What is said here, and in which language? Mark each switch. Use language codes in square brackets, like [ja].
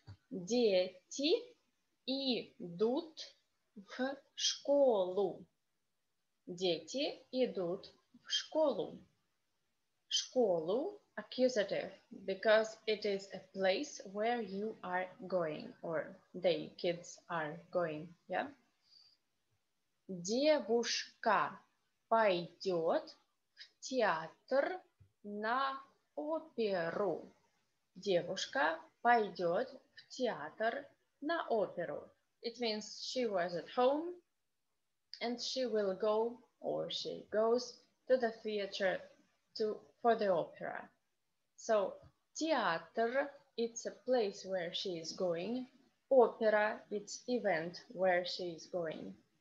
[ru] Дети идут в школу. Дети идут в школу. [en] Школу accusative, because it is a place where you are going, or they, kids, are going, yeah? [ru] Девушка пойдет в театр на оперу. Девушка пойдет в театр на оперу. [en] It means she was at home and she will go, or she goes, to the theater for the opera. So, театр, it's a place where she is going. Опера, it's event where she is going.